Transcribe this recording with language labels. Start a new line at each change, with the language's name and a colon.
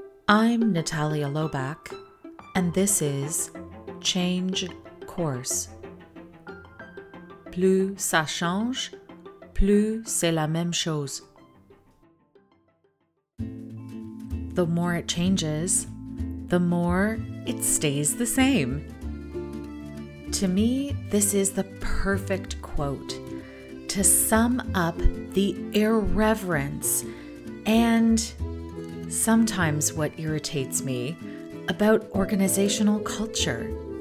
English: I'm Natalia Loback, and this is Change Course.
French: Plus ça change, plus c'est la même chose.
English: The more it changes, the more it stays the same. To me, this is the perfect quote to sum up the irreverence and sometimes what irritates me about organizational culture.